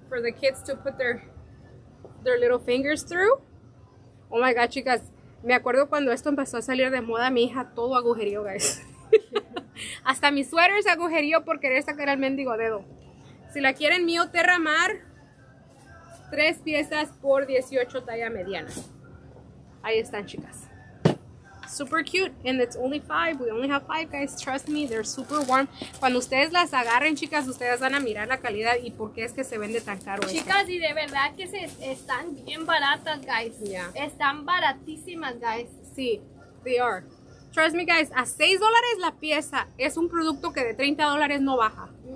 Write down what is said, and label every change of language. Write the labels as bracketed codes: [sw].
[en] for the kids to put their little fingers through. Oh my God, [es] chicas. Me acuerdo cuando esto empezó a salir de moda, mi hija todo agujerío, [en] guys. [es] Hasta mi suéter es agujerío por querer sacar al mendigo dedo. Si la quieren mío, Terramar, 3 piezas por 18, talla mediana. Ahí están, chicas. [en] Super cute, and it's only 5. We only have 5, guys. Trust me, they're super warm. [es] Cuando ustedes las agarren, chicas, ustedes van a mirar la calidad y por qué es que se vende tan caro. Chicas, esta. Y de verdad que se están bien baratas, [en] guys. Yeah. [es] Están baratísimas, [en] guys. [es] Sí, [en] they are. Trust me, guys, [es] a $6 la pieza es un producto que de $30 no baja.